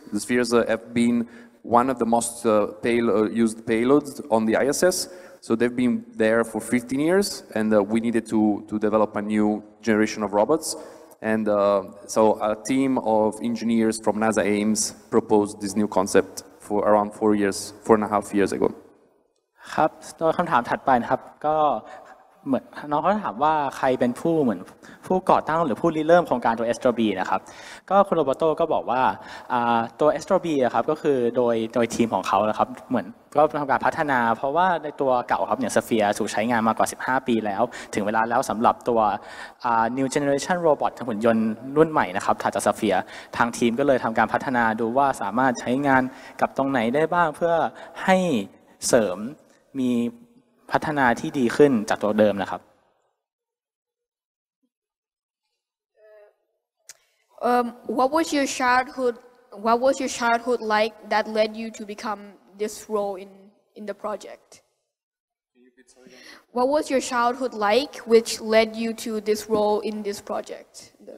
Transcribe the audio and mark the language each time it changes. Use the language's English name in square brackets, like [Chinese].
[English] The spheres have been one of the most used payloads on the ISS. So they've been there for 15 years, and we needed to develop a new generation of robots. And so a team of engineers from NASA Ames proposed this new concept for around 4 years, 4.5 years ago. [Thai] ครับตอนคำถามถัดไปนะครับก็เหมือนน้องเขาถามว่าใครเป็นผู้เหมือนผู้ก่อตั้งหรือผู้ริเริ่มโครงการตัว AstroB นะครับก็คุณโรเบโต้ก็บอกว่า ตัว AstroB อ่ะครับก็คือโดยทีมของเขานะครับเหมือนก็ทำการพัฒนาเพราะว่าในตัวเก่าครับอย่างสเฟียร์ถูกใช้งานมากว่า15ปีแล้วถึงเวลาแล้วสำหรับตัว [English] new generation robot [Thai] หุ่นยนต์รุ่นใหม่นะครับถัดจากสเฟียร์ทางทีมก็เลยทำการพัฒนาดูว่าสามารถใช้งานกับตรงไหนได้บ้างเพื่อให้เสริมมีพัฒนาที่ดีขึ้นจากตัวเดิมนะครับ [English] What was your childhood like that led you to become this role in the project? What was your childhood like which led you to this role in this project?